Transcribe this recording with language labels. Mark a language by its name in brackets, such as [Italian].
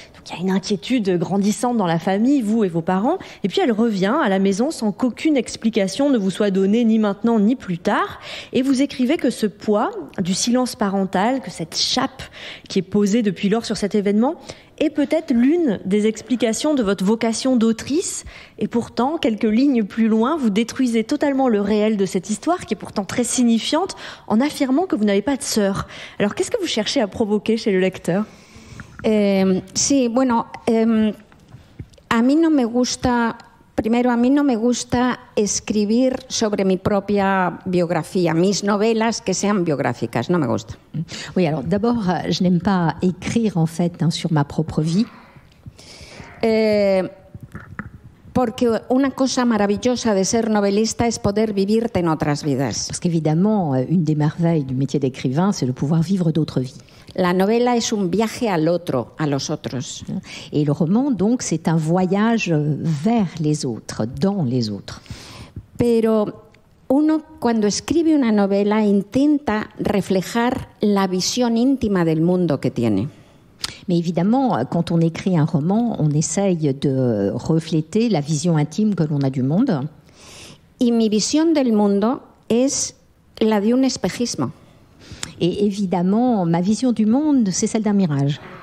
[French] Donc il y a une inquiétude grandissante dans la famille, vous et vos parents, et puis elle revient à la maison sans qu'aucune explication ne vous soit donnée, ni maintenant ni plus tard, et vous écrivez que ce poids du silence parental, que cette chape qui est posée depuis lors sur cet événement, est peut-être l'une des explications de votre vocation d'autrice, et pourtant, quelques lignes plus loin, vous détruisez totalement le réel de cette histoire, qui est pourtant très signifiante, en affirmant que vous n'avez pas de sœur. Alors qu'est-ce que vous cherchez à provoquer chez le lecteur ? [Spanish] Sí, bueno, a mí no me gusta, primero a mí no me gusta escribir sobre mi propia biografía, mis novelas que sean biográficas, no me gusta. [French] Oui, alors d'abord, je n'aime pas écrire en fait hein, sur ma propre vie. [Spanish] Porque una cosa maravillosa de ser novelista es poder vivirte en otras vidas. [French] Parce qu'évidemment, une des merveilles du métier d'écrivain, c'est de pouvoir vivre d'autres vies. [Spanish] La novela es un viaje al otro, a los otros. [French] Et le roman, donc, c'est un voyage vers les autres, dans les autres. [Spanish] Pero uno, cuando escribe una novela, intenta reflejar la visión íntima del mundo que tiene. [French] Mais évidemment, quand on écrit un roman, on essaye de refléter la vision intime que l'on a du monde. [Spanish] Et mi vision del mundo es la de un espejismo. [French] Et évidemment, ma vision du monde, c'est celle d'un mirage.